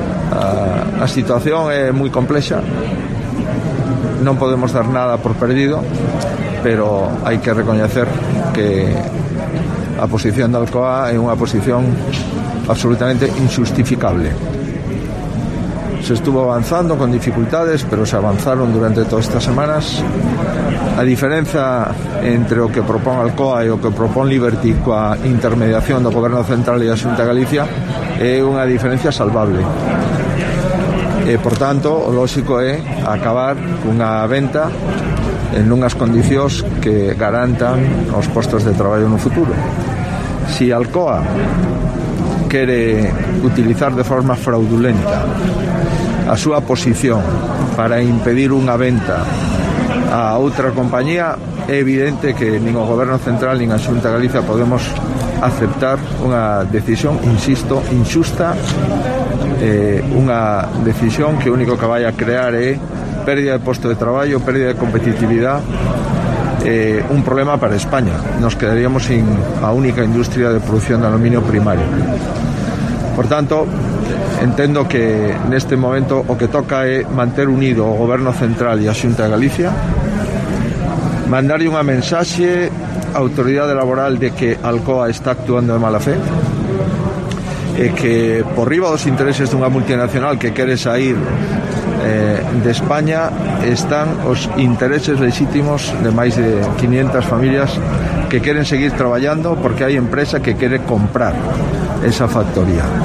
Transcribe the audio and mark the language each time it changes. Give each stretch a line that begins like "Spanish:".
Galician: A situación é moi complexa. Non podemos dar nada por perdido, pero hai que recoñecer que a posición de Alcoa é unha posición absolutamente injustificable.
Spanish: Se estuvo avanzando con dificultades, pero se avanzaron durante todas estas semanas.
Galician: A diferenza entre o que propón Alcoa e o que propón Liberty coa intermediación do Goberno Central e a Xunta de Galicia é unha diferencia salvable. Por tanto, o lógico é acabar cunha venta en unhas condicións que garantan os postos de traballo no futuro. Si Alcoa quere utilizar de forma fraudulenta a súa posición para impedir unha venta a outra compañía, é evidente que nin o Goberno Central nin a Xunta de Galicia podemos aceptar unha decisión, insisto, injusta, unha decisión que o único que vai a crear é pérdida de posto de traballo, pérdida de competitividade, un problema para España.
Spanish: Nos quedaríamos sin a única industria de producción de aluminio primario.
Galician: Por tanto, entendo que neste momento o que toca é manter unido o Goberno Central e a Xunta de Galicia, mandarlle unha mensaxe á autoridade laboral de que Alcoa está actuando de mala fe, e que por riba dos intereses dunha multinacional que quere sair de España están os intereses legítimos de máis de 500 familias que queren seguir traballando, porque hai empresa que quere comprar esa factoría.